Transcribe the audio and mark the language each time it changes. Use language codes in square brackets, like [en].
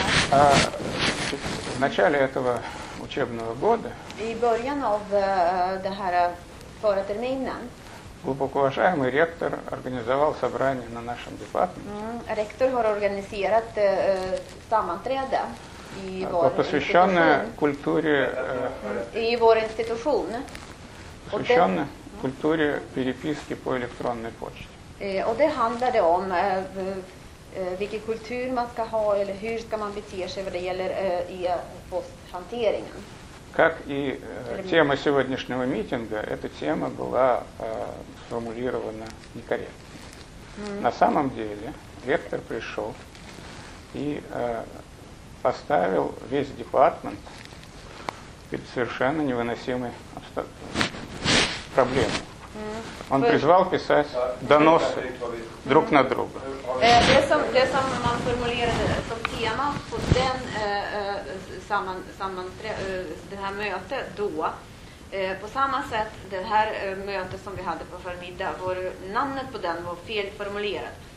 [ru] В начале этого учебного года [sv] и början av det här förra terminen [ru] глубоко уважаемый ректор организовал собрание на нашем департаменте. [sv] Ректор har organiserat sammanträde i vår [ru] посвященное культуре [sv] и vår institution. [ru] Посвященное культуре переписки по электронной почте. [sv] Och det handlade om vilken kultur man ska ha eller hur ska man bete sig vad det gäller e-posthanteringen. [ru] Как и тема сегодняшнего митинга, эта тема была сформулирована некорректно. Mm. На самом деле ректор пришел и поставил весь департмент перед совершенно невыносимой проблемой. Он призвал писать доносы друг на друга. [sv] Det som man formulerade som tema på den det här mötet då, på samma sätt det här mötet som vi hade på förmiddag, var namnet på den var felformulerat.